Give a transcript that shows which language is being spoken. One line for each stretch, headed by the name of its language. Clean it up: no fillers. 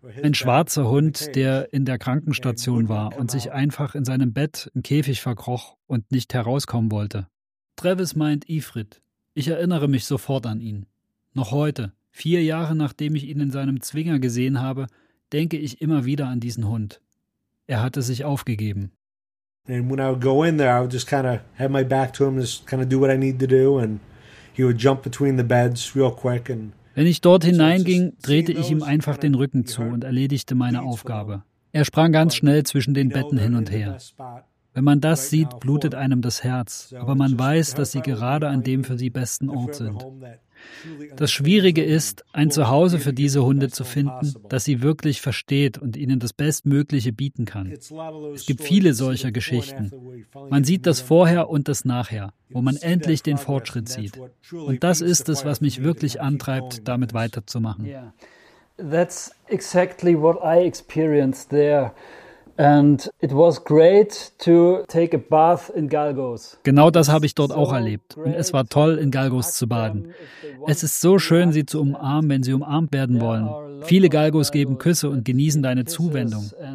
German: Ein schwarzer Hund, der in der Krankenstation war und sich einfach in seinem Bett im Käfig verkroch und nicht herauskommen wollte. Travis meint Ifrit. Ich erinnere mich sofort an ihn. Noch heute, 4 Jahre nachdem ich ihn in seinem Zwinger gesehen habe, denke ich immer wieder an diesen Hund. Er hatte sich aufgegeben.
English: And when I would go in there, I would just kind of have my back to him, just kind of do what I need to do, and he would jump between the beds real quick. And
German: wenn ich dort hineinging, drehte ich ihm einfach den Rücken zu und erledigte meine Aufgabe. Er sprang ganz schnell zwischen den Betten hin und her. Wenn man das sieht, blutet einem das Herz, aber man weiß, dass sie gerade an dem für sie besten Ort sind. Das Schwierige ist, ein Zuhause für diese Hunde zu finden, das sie wirklich versteht und ihnen das Bestmögliche bieten kann. Es gibt viele solcher Geschichten. Man sieht das Vorher und das Nachher, wo man endlich den Fortschritt sieht. Und das ist es, was mich wirklich antreibt, damit weiterzumachen.
English: That's exactly what I experienced there. And it was great to take a bath in Galgos.
German: Genau das habe ich dort auch erlebt. Und es war toll, in Galgos zu baden. Es ist so schön, sie zu umarmen, wenn sie umarmt werden wollen. Viele Galgos geben Küsse und genießen deine Zuwendung.